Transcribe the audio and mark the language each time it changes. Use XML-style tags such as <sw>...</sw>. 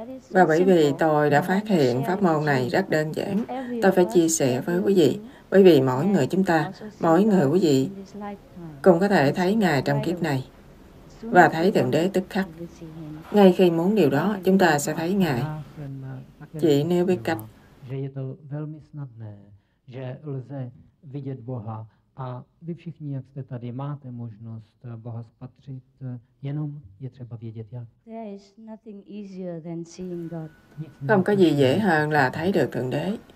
<vi>Và bởi vì tôi đã phát hiện pháp môn này rất đơn giản, tôi phải chia sẻ với quý vị, bởi vì mỗi người chúng ta, mỗi người quý vị cũng có thể thấy Ngài trong kiếp này và thấy Thượng Đế tức khắc. Ngay khi muốn điều đó, chúng ta sẽ thấy Ngài. Chỉ nếu biết cách,</vi> <cs>že je to velmi snadné, že lze vidět Boha a vy všichni, jak jste tady, máte možnost Boha spatřit, jenom je třeba vědět jak.</cs> <en>There is nothing easier than seeing God.</en> <vi>Không có gì dễ hơn là thấy được Thượng Đế.</vi>